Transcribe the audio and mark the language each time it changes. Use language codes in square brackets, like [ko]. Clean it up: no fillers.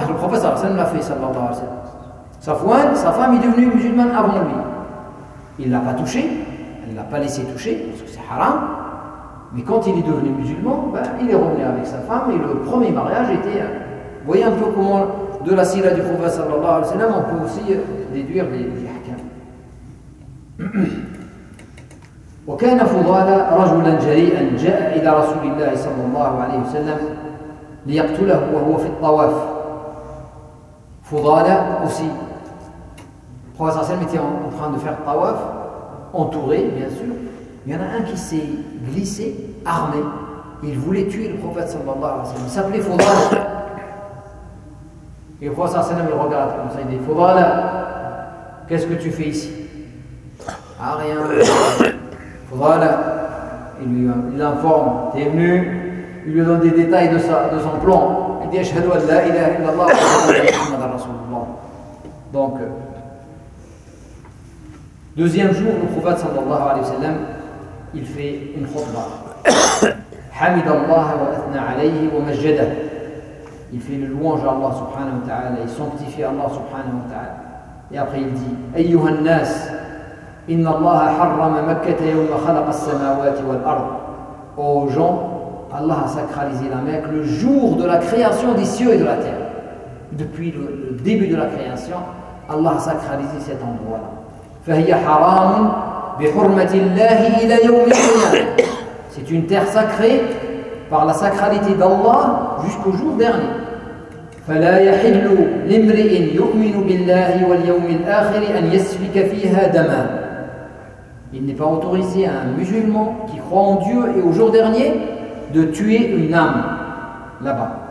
[fr] Le prophète sallallahu alayhi wa sallam l'a fait. Sa femme est devenue musulmane avant lui. Il ne l'a pas touché. Elle ne l'a pas laissé toucher parce que c'est haram. Mais quand il est devenu musulman, ben, il est revenu avec sa femme. Et le premier mariage était... Vous voyez un peu comment de la sira du prophète sallallahu alayhi wa sallam, on peut aussi déduire les hakams. [ar] وكان فضالة رجلا جريءا جاء إلى رسول الله صلى الله عليه وسلم ليقتله وهو في الطواف. [fr] فضالة aussi. Le prophète sallallahu alayhi wa sallam était en train de faire tawaf, entouré bien sûr. Il y en a un qui s'est glissé, armé. Il voulait tuer le prophète sallallahu alayhi wa sallam. Il s'appelait Fudala. Et voit ça, il regarde comme ça, il dit, Fadala, qu'est-ce que tu fais ici? Ah, rien. Fadala, il informe, t'es venu, il lui donne des détails de son plan. Il dit, [ar] ashhadu an la ilaha illallah, wa muhammad rasulullah. [fr] Donc, deuxième jour, le prophète sallallahu alayhi wa sallam, il fait une khutbah. [ar] حمد الله وأثنى عليه ومجده. [fr] Il fait le louange à Allah subhanahu wa ta'ala, il sanctifie Allah subhanahu wa ta'ala. Et après il dit, [ar] أيها الناس إن الله حرم مكة يوم خلق السماوات والأرض. [fr] Ô gens, Allah a sacralisé la Mecque le jour de la création des cieux et de la terre. Depuis le début de la création, Allah a sacralisé cet endroit-là. [ar] فهي حرام بحرمة الله إلى يوم القيامة. [fr] C'est une terre sacrée par la sacralité d'Allah jusqu'au jour dernier. [ar] فَلَا يَحِلُّ لِمْرِئٍ يُؤْمِنُ بِاللَّهِ وَالْيَوْمِ الْآخِرِ أَنْ يَسْفِكَ فِيهَا دَمًا. [fr] Il n'est pas autorisé à un musulman qui croit en Dieu et au jour dernier de tuer une âme là-bas.